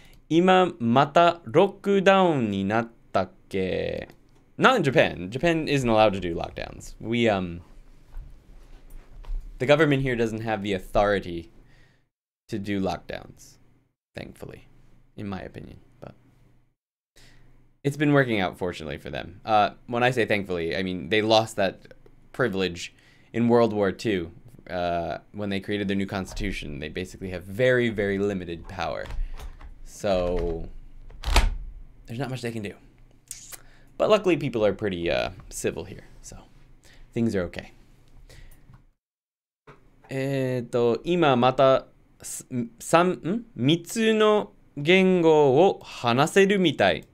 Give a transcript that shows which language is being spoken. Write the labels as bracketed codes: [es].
[ja] 今またロックダウンになったっけ? [en] Not in Japan. Japan isn't allowed to do lockdowns. The government here doesn't have the authority to do lockdowns. Thankfully, in my opinion, but it's been working out fortunately for them. When I say thankfully, I mean they lost that privilege in World War II when they created their new constitution. They basically have very, very limited power. So there's not much they can do. But luckily, people are pretty civil here, so things are okay. [ja] 今また3つの言語を話せるみたい。